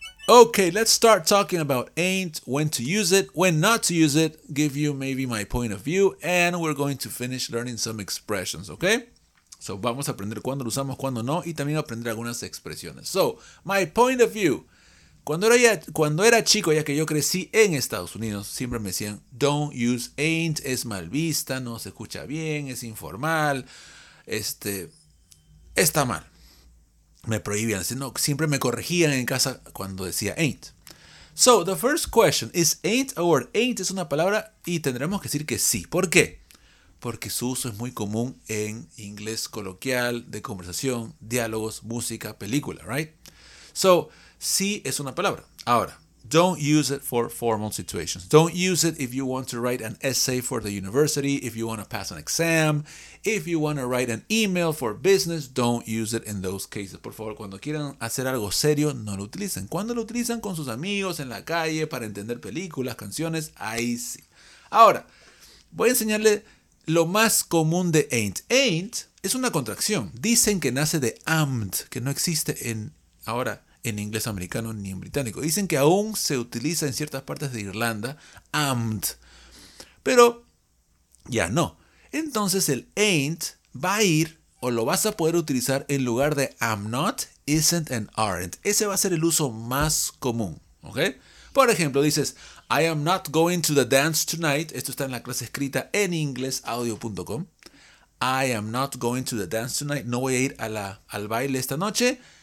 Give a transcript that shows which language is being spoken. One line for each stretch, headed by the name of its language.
English: Okay, let's start talking about ain't, when to use it, when not to use it, give you maybe my point of view, and we're going to finish learning some expressions, okay?
Spanish: So, vamos a aprender cuándo lo usamos, cuándo no, y también aprender algunas expresiones. So, my point of view. Cuando era chico, ya que yo crecí en Estados Unidos, siempre me decían,
English: don't use ain't,
Spanish: es mal vista, no se escucha bien, es informal, está mal. Me prohibían, sino siempre me corregían en casa cuando decía ain't.
English: So, the first question, is ain't a word?
Spanish: Ain't es una palabra, y tendremos que decir que sí. ¿Por qué? Porque su uso es muy común en inglés coloquial, de conversación, diálogos, música, película, right?
English: So,
Spanish: sí es una palabra. Ahora,
English: don't use it for formal situations. Don't use it if you want to write an essay for the university, if you want to pass an exam, if you want to write an email for business, don't use it in those cases.
Spanish: Por favor, cuando quieran hacer algo serio, no lo utilicen. Cuando lo utilizan con sus amigos, en la calle, para entender películas, canciones, ahí sí. Ahora, voy a enseñarle lo más común de ain't. Ain't es una contracción. Dicen que nace de amd, que no existe ahora en inglés americano ni en británico. Dicen que aún se utiliza en ciertas partes de Irlanda, amd. Pero ya no. Entonces el ain't va a ir, o lo vas a poder utilizar en lugar de am not, isn't, and aren't. Ese va a ser el uso más común, ¿ok? Por ejemplo, dices,
English: I am not going to the dance tonight.
Spanish: Esto está en la clase escrita en inglesaudio.com.
English: I am not going to the dance tonight.
Spanish: No voy a ir al baile esta noche.